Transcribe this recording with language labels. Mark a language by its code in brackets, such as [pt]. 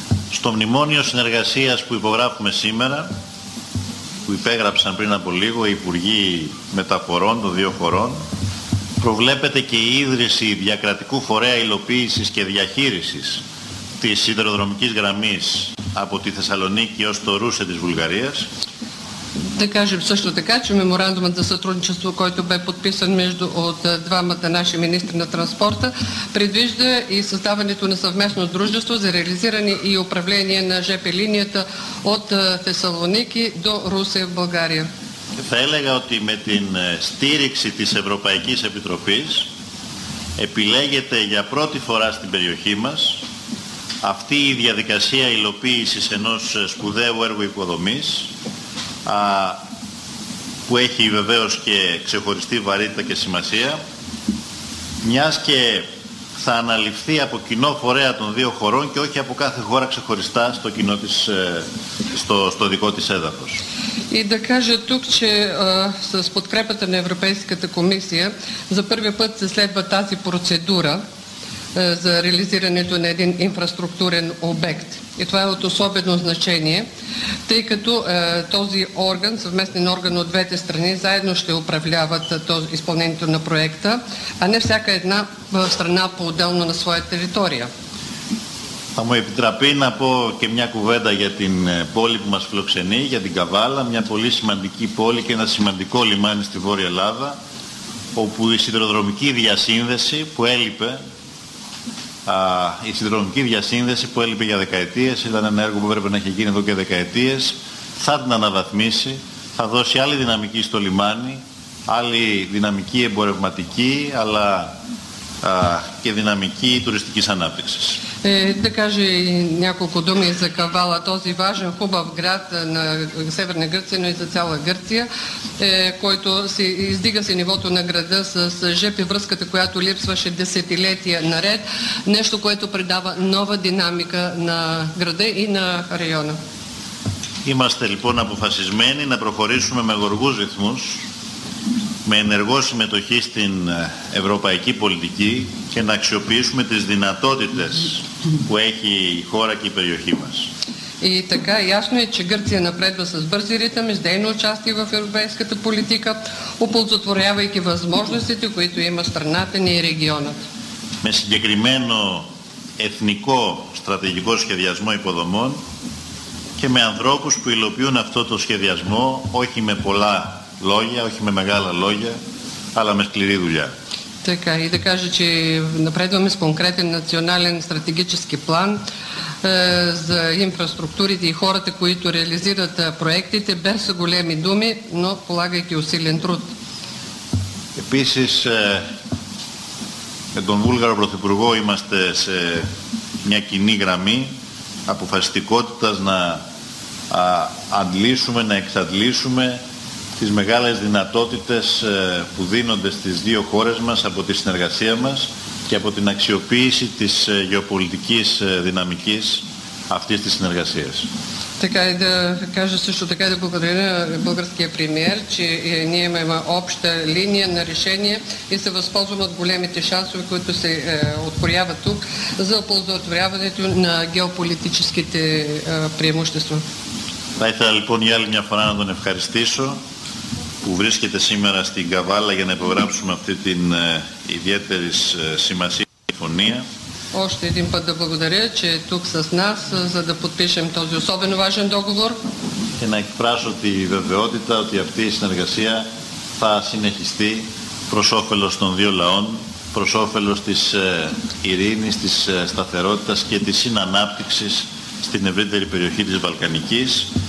[el] Στο μνημόνιο συνεργασίας που υπογράφουμε σήμερα, που υπέγραψαν πριν από λίγο οι Υπουργοί Μεταφορών των δύο χωρών, προβλέπεται και η ίδρυση διακρατικού φορέα υλοποίησης και διαχείρισης της σιδηροδρομικής γραμμής από τη Θεσσαλονίκη ως το Ρούσε της Βουλγαρίας. [bg] Да кажем също така, че меморандумът за сътрудничество, който бе подписан между от двамата наши министри на транспорта, предвижда и създаването на съвместно дружество за реализиране и управление на ЖП линията от Тесалоники до Русе в България. [el] Θα έλεγα ότι με την στήριξη της Ευρωπαϊκής Επιτροπής επιλέγεται για πρώτη φορά στην περιοχή μας αυτή η διαδικασία υλοποίησης ενός σπουδαίου έργου υποδομής, που έχει βεβαίως και ξεχωριστή βαρύτητα και σημασία, μιας και θα αναλυφθεί από κοινό φορέα των δύο χωρών και όχι από κάθε χώρα ξεχωριστά στο κοινό της, στο δικό της έδαφος. [bg] И да кажа тук, че с подкрепата на Европейската комисия за първи път се следва тази процедура за реализирането на един инфраструктурен обект. И това е от особено значение, тъй като този орган, съвместен орган от двете страни, заедно ще управляват изпълнението на проекта, а не всяка една страна по-отделно на своя територия. [el] Θα μου επιτραπεί να πω και μια κουβέντα για την πόλη που μας φιλοξενεί, για την Καβάλα, μια πολύ σημαντική πόλη και ένα σημαντικό λιμάνι στη Βόρεια Ελλάδα, όπου η σιδηροδρομική διασύνδεση που έλειπε, για δεκαετίες, ήταν ένα έργο που έπρεπε να έχει γίνει εδώ και δεκαετίες, θα την αναβαθμίσει, θα δώσει άλλη δυναμική στο λιμάνι, άλλη δυναμική εμπορευματική, αλλά και δυναμική τουριστικής ανάπτυξης. [bg] Да кажа и няколко думи за Кавала, този важен, хубав град на Северна Гърция, но и за цяла Гърция, който се издига се нивото на града с ЖП връзката, която липсваше десетилетия наред, нещо, което придава нова динамика на града и на района. [el] Είμαστε λοιπόν αποφασισμένοι να προχωρήσουμε με γοργούς ρυθμούς, με ενεργό συμμετοχή στην ευρωπαϊκή πολιτική και να αξιοποιήσουμε τις δυνατότητες που έχει η χώρα και η περιοχή μας. [bg] И така ясно е, че Гърция напредва с бързи ритъми, с дейно участие в европейската политика, оползотворявайки възможностите, които има страната ни и регионът. [el] Με συγκεκριμένο εθνικό στρατηγικό σχεδιασμό υποδομών και με ανθρώπους που υλοποιούν αυτό το σχεδιασμό, όχι με πολλά λόγια, όχι με μεγάλα λόγια, αλλά με σκληρή δουλειά. [bg] Така, и да кажа, че напредваме с конкретен национален стратегически план за инфраструктурите и хората, които реализират проектите, без големи думи, но полагайки усилен труд. [el] Επίσης, με τον Βούλγαρο Πρωθυπουργό είμαστε σε μια κοινή γραμμή αποφασιστικότητας να αντλήσουμε, να εξαντλήσουμε τις μεγάλες δυνατότητες που δίνονται στις δύο χώρες μας από τη συνεργασία μας και από την αξιοποίηση της γεωπολιτικής δυναμικής αυτής της συνεργασίας. [bg] Така, да кажа също така да благодаря българския премиер, че ние имаме обща линия на решение и се възползваме от големите шансове, които се открояват тук за оползотворяването на геополитическите преимущества. [el] Θα ήθελα λοιπόν για άλλη μια φορά να τον ευχαριστήσω που βρίσκεται σήμερα στην Καβάλα για να υπογράψουμε αυτή την ιδιαίτερη σημασία συμφωνία. [bg] Още един път да благодаря, че е тук с нас, за да подпишем този особено важен договор. [el] Και να εκφράσω τη βεβαιότητα ότι αυτή η συνεργασία θα συνεχιστεί προς όφελος των δύο λαών, προς όφελος της ειρήνης, της σταθερότητας και της συνανάπτυξης στην ευρύτερη περιοχή της Βαλκανικής.